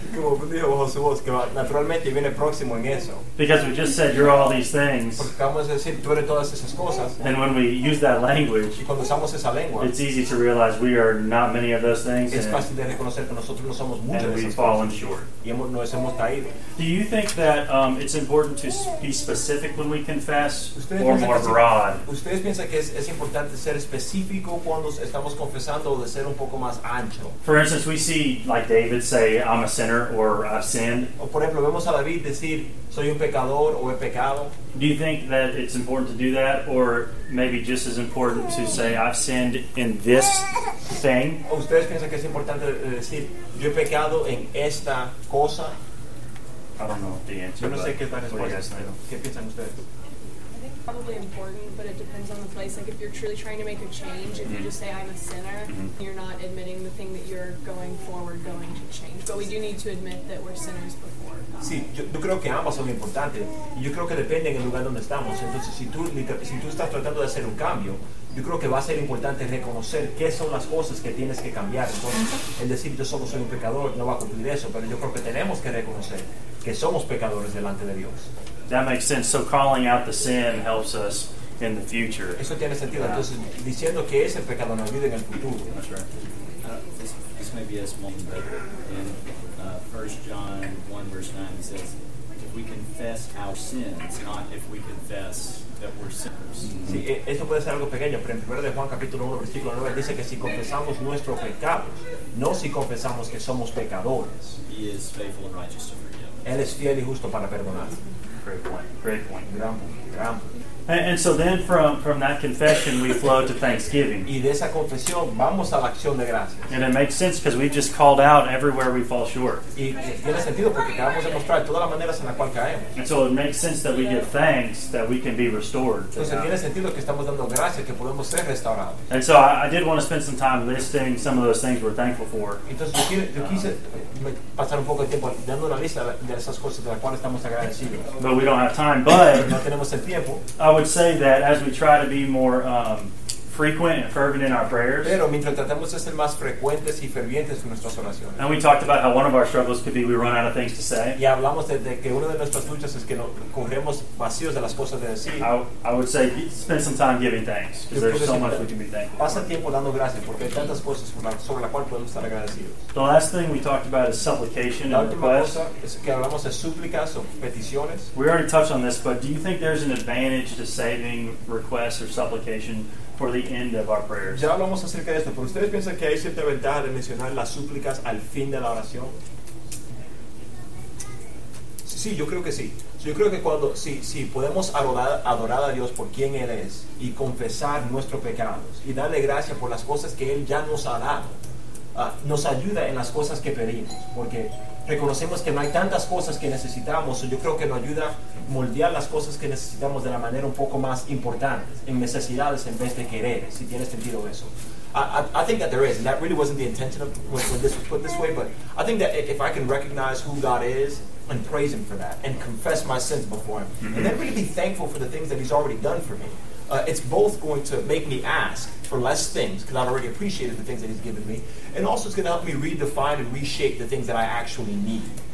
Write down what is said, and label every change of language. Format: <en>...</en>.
<es>Como dijo José Luis, que naturalmente viene próximo en eso.</es> <en>Because we just said you're all these things.</en> <es>Porque vamos a decir tú eres todas esas cosas.</es> <en>And when we use that language,</en> <es>y cuando usamos esa lengua,</es> <en>it's easy to realize we are not many of those things.</en> <es>Es fácil de reconocer que nosotros no somos muchas de esas cosas.</es> <en>And we've fallen short.</en> <es>Y nos hemos caído.</es> <en>Do you think that it's important to be specific when we confess, or more broad?</en> <es>¿Ustedes piensan que es importante ser específico cuando estamos confesando, de ser un poco más ancho?</es> <en>For instance, we see like David say, I'm a sinner, or I've sinned.</en> <es>O por ejemplo, vemos a David decir, soy un pecador, o he pecado.</es> <en>Do you think that it's important to do that, or maybe just as important to say, I've sinned in this thing?</en> <es>¿O ustedes piensan que es importante decir, yo he pecado en esta cosa?</es> <en>I don't know the answer.</en> <es>Yo no sé qué es la respuesta. ¿Qué piensan ustedes?</es> <en>Probably important, but it depends on the place. Like if you're truly trying to make a change, if you just say I'm a sinner, you're not admitting the thing that you're going to change. But we do need to admit that we're sinners before God.</en> <es>Sí, yo creo que ambas son importantes. Yo creo que depende en el lugar donde estamos. Entonces, si tú estás tratando de hacer un cambio, yo creo que va a ser importante reconocer qué son las cosas que tienes que cambiar. Entonces, el decir yo solo soy un pecador no va a cumplir eso, pero yo creo que tenemos que reconocer que somos pecadores delante de Dios.</es> <en>That makes sense. So calling out the sin helps us in the future.</en> <es>Eso tiene sentido. Yeah. Entonces, diciendo que ese pecado nos ayuda en el futuro.</es> <en>That's right. This may be a small thing, but in 1 John 1, verse 9, it says, if we confess our sins, not if we confess that we're sinners.</en> <es>Sí, esto puede ser algo pequeño, pero en 1 de Juan, capítulo 1, versículo 9, dice que si confesamos nuestros pecados, no si confesamos que somos pecadores.</es> <en>He is faithful and righteous to forgive.</en> <es>Él es fiel y justo para perdonar.</es> <en>Great point. And so then from that confession we flow to thanksgiving.</en> <es>Y de esa confesión vamos a la acción de gracias.</es> <en>And it makes sense because we've just called out everywhere we fall short.</en> <es>Y tiene sentido porque acabamos de mostrar todas las maneras en las cuales caemos.</es> <en>And so it makes sense that we give thanks that we can be restored.</en> <es>Entonces tiene sentido que estamos dando gracias que podemos ser restaurados.</es> <en>And so I did want to spend some time listing some of those things we're thankful for.</en> <es>Entonces yo quise pasar un poco de tiempo dando una lista de esas cosas de las cuales estamos agradecidos.</es> <en>But we don't have time, but I would say that as we try to be more frequent and fervent in our prayers,</en> <es>pero mientras tratamos de ser más frecuentes y fervientes en nuestras oraciones,</es> <en>and we talked about how one of our struggles could be we run out of things to say,</en> <es>y hablamos de que una de nuestras luchas es que nos corremos vacíos de las cosas de decir,</es> <en>I would say spend some time giving thanks because there's so much we can be thankful for.</en> <es>Pasa tiempo dando gracias porque hay tantas cosas sobre la cual podemos estar agradecidos.</es> <en>The last thing we talked about is supplication and requests.</en> <es>La última cosa es que hablamos de súplicas o peticiones.</es> <en>We already touched on this, but do you think there's an advantage to saving requests or supplication for the end of our prayers?</en> <es>Ya hablamos acerca de esto, pero ¿ustedes piensan que hay cierta ventaja de mencionar las súplicas al fin de la oración? Sí, yo creo que sí. Yo creo que cuando, sí, podemos adorar a Dios por quien Él es y confesar nuestros pecados y darle gracias por las cosas que Él ya nos ha dado, nos ayuda en las cosas que pedimos, porque reconocemos que no hay tantas cosas que necesitamos, yo creo que nos ayuda a moldear las cosas que necesitamos de la manera un poco más importante, en necesidades en vez de querer, si tiene sentido eso.</es> <en>I think that there is, and that really wasn't the intention of when this was put this way, but I think that if I can recognize who God is and praise Him for that and confess my sins before Him, mm-hmm. and then really be thankful for the things that He's already done for me, it's both going to make me ask for less things because I've already appreciated the things that He's given me, and also it's going to help me redefine and reshape the things that I actually need.</en>